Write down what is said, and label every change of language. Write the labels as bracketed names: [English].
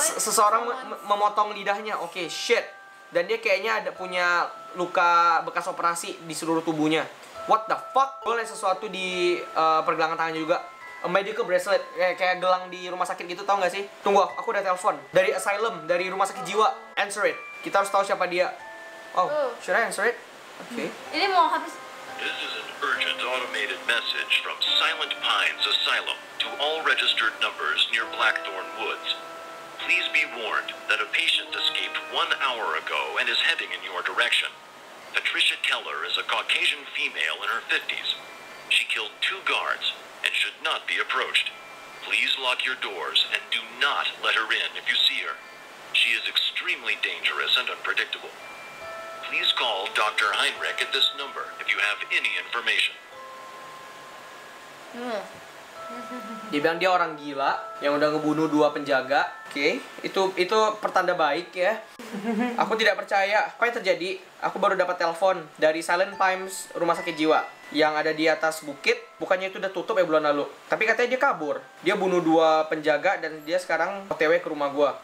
[Indonesian] Seseorang memotong lidahnya. [English] Oke, shit. [Indonesian] Dan dia kayaknya ada punya luka bekas operasi di seluruh tubuhnya. [English] What the fuck? [Indonesian] Boleh sesuatu di pergelangan tangannya juga. [English] A medical bracelet, [Indonesian] kayak gelang di rumah sakit gitu, tau gak sih? Tunggu, aku udah telepon. Dari asylum, dari rumah sakit jiwa. [English] Answer it. [Indonesian] Kita harus tahu siapa dia. [English] Oh, should I answer it? Okay. [Indonesian] Ini mau habis. [English] This is an urgent automated message from Silent Pines Asylum to all registered numbers near Blackthorn Woods. Please be warned that a patient escaped 1 hour ago and is heading in your direction. Patricia Keller is a Caucasian female in her 50s. She killed 2 guards and should not be approached. Please lock your doors and do not let her in if you see her. She is extremely dangerous and unpredictable. Please call Dr. Heinrich at this number if you have any information. [Indonesian] Dia bilang dia orang gila yang udah ngebunuh 2 penjaga. Oke, itu pertanda baik ya. Aku tidak percaya apa yang terjadi. Aku baru dapat telepon dari Silent Pines Rumah Sakit Jiwa yang ada di atas bukit. Bukannya itu udah tutup ya bulan lalu. Tapi katanya dia kabur. Dia bunuh dua penjaga dan dia sekarang OTW ke rumah gua.